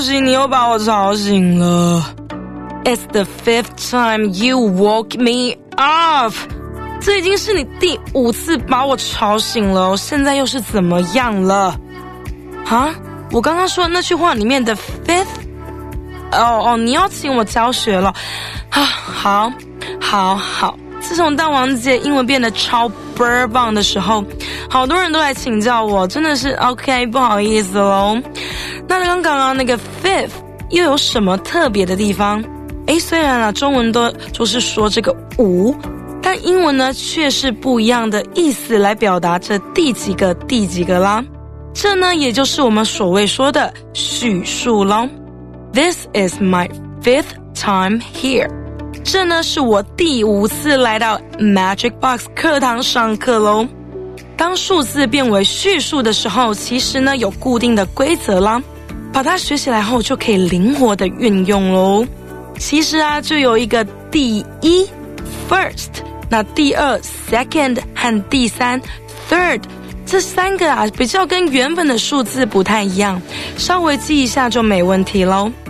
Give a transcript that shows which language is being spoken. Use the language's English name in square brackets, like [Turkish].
[Chinese] 干嘛啦？又发生什么事情了啦？哦，我在休息，你又把我吵醒了。 [English] It's the fifth time you woke me up. [Chinese] 这已经是你第五次把我吵醒了，现在又是怎么样了？啊，我刚刚说的那句话里面的 fifth， 哦，你要请我教学了啊？好。自从大王姐英文变得超倍儿棒的时候，好多人都来请教我，真的是 OK， 不好意思咯。那刚刚那个 fifth 又有什么特别的地方？诶，虽然啊，中文都就是说这个五，但英文呢却是不一样的意思来表达这第几个第几个啦。这呢也就是我们所谓说的叙述咯。 [English] This is my fifth time here. [Chinese] 这呢是我第五次来到 Magic Box 课堂上课咯。当数字变为叙述的时候，其实呢有固定的规则啦，把它学起来后就可以灵活的运用咯。其实啊就有一个第一 first， 那第二 second 和第三 third， 这三个啊比较跟原本的数字不太一样，稍微记一下就没问题咯。